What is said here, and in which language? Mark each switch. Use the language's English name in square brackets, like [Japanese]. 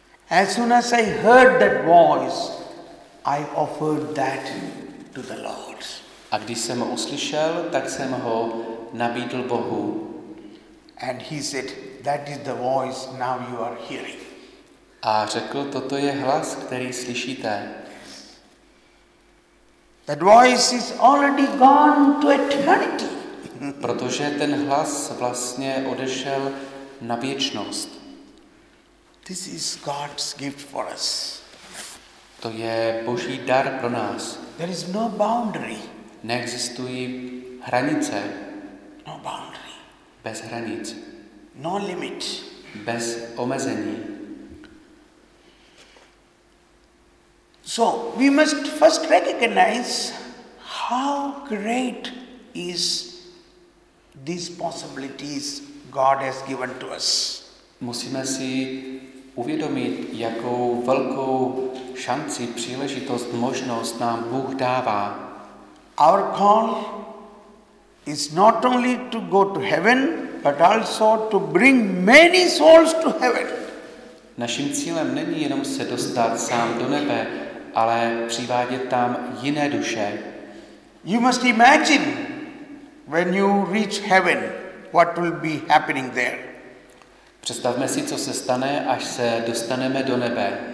[English] As soon as I heard that voice, I offered that to the Lord. [Czech] A když jsem ho uslyšel, tak jsem ho nabídl Bohu. [English] And he said, that is the voice now you are hearing. [Czech] A řekl, toto je hlas, který slyšíte. [English] That voice is already gone to eternity. [Czech] Protože ten hlas vlastně odešel na věčnost. [English] This is God's gift for us. [Czech] To je Boží dar pro nás. [English] There is no boundary. [Czech] Neexistují hranice. [English] No boundary. [Czech] Bez hranic. [English] No limit. [Czech] Bez omezení. [English] So we must first recognize How great is these possibilities God has given to us. [Czech] Musíme si uvědomit, jakou velkou šanci, příležitost, možnost nám Bůh dává. [English] Our call is not only to go to heaven, but also to bring many souls to heaven. [Czech] Naším cílem není jenom se dostat sám do nebe, ale přivádět tam jiné duše. [English] You must imagine when you reach heaven, what will be happening there. [Czech] Představme si, co se stane, až se dostaneme do nebe.